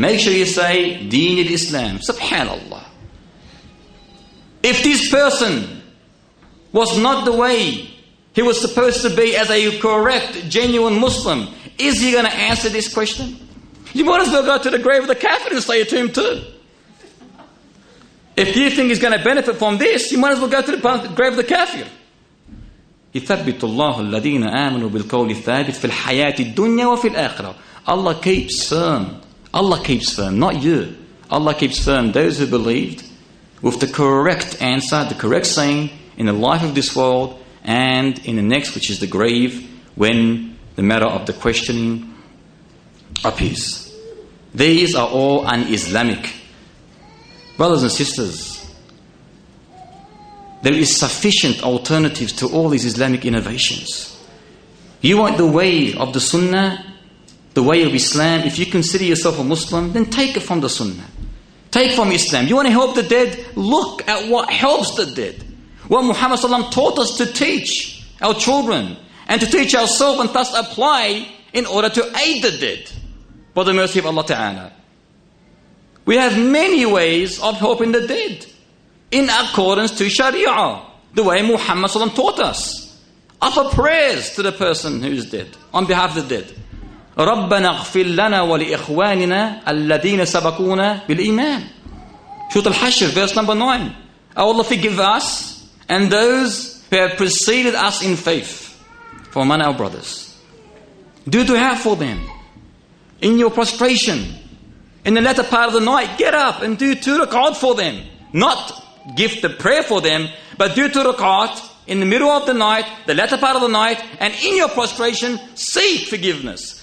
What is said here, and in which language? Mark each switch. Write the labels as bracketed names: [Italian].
[English] Make sure you say Deen of Islam. Subhanallah. If this person was not the way he was supposed to be as a correct, genuine Muslim, is he going to answer this question? You might as well go to the grave of the Kafir and say it to him too. If you think he's going to benefit from this, you might as well go to the grave of the Kafir. [Arabic] يثبت الله الذين آمنوا بالقول الثابت في الحياة الدنيا وفي الآخرة. [English] Allah keeps firm. Allah keeps firm, not you. Allah keeps firm those who believed with the correct answer, the correct saying in the life of this world and in the next, which is the grave, when the matter of the questioning appears. These are all un-Islamic. Brothers and sisters, there is sufficient alternatives to all these Islamic innovations. You want the way of the Sunnah, the way of Islam. If you consider yourself a Muslim, then take it from the Sunnah. Take from Islam. You want to help the dead? Look at what helps the dead. What Muhammad Sallam taught us to teach our children and to teach ourselves, and thus apply in order to aid the dead by the mercy of Allah Ta'ala. We have many ways of helping the dead in accordance to Sharia, the way Muhammad Sallam taught us. Offer prayers to the person who is dead, on behalf of the dead. [Arabic] رَبَّنَا اغْفِرْ لَنَا وَلِإِخْوَانِنَا الَّذِينَ سَبَقُونَا بِالْإِيمَانِ [English] Surah Al-Hashr, verse number 9. Oh Allah, forgive us and those who have preceded us in faith from among our brothers. Do dua for them. In your prostration, in the latter part of the night, get up and do two rak'at for them. Not give the prayer for them, but do two rak'at in the middle of the night, the latter part of the night, and in your prostration, seek forgiveness.